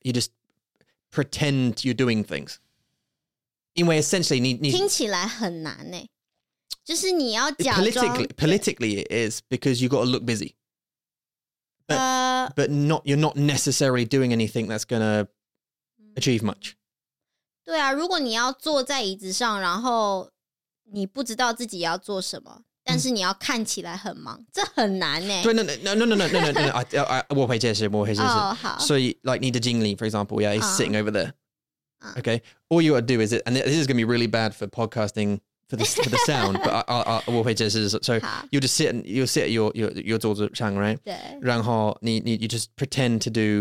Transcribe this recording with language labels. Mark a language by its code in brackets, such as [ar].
[en] You just pretend you're doing things. [zh] 因为 essentially 你听起来很难耶，就是你要假装 [en] politically it is because you got to look busy. But not, you're not necessarily doing anything that's gonna achieve much. [zh] 对啊，如果你要坐在椅子上，然后你不知道自己要做什么，但是你要看起来很忙，这很难欸。对 [en] no [zh] 我会解释、 oh, 所以 [en] like [zh] 你的经理 [en] for example yeah he's sitting over there okay all you gotta do is it, and this is gonna be really bad for podcasting for the sound but I [zh] 我会解释 [en] so you'll just sit and you'll sit at your [zh] 桌子上 [en] right [zh] 对，然后你 [en] you just pretend to do